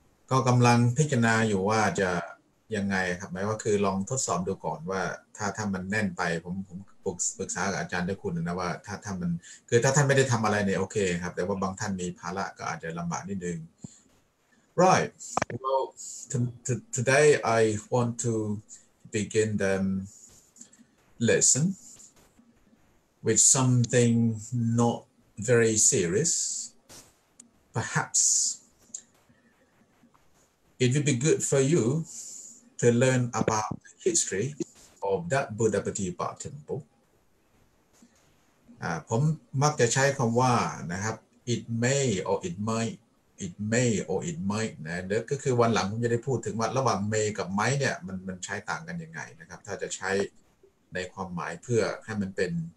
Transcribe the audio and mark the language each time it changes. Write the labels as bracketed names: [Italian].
[Thai] ก็กำลังพิจารณาอยู่ว่าจะยังไงครับหมายว่าคือลองทดสอบดูก่อนว่าถ้ามันแน่นไปผมปรึกษากับอาจารย์ด้วยคุณนะว่าถ้ามันคือถ้าท่านไม่ได้ทำอะไรเนี่ยโอเคครับแต่ว่าบางท่านมีภาระก็อาจจะลำบากนิดนึง [English] Right. Well, today I want to begin the lesson with something not very serious. Perhaps it would be good for you to learn about the history of that Buddha Patipa temple. [Thai] ผมมักจะใช้คำว่านะครับ [English] it may or it mightit may or it might [Thai] นะเดี๋ยวก็คือวันหลังผมจะได้พูดถึงว่าระหว่าง may กับ might เนี่ยมันใช้ต่างกันยังไงนะครับถ้าจะใช้ในความหมายเพื่อให้มันเป็น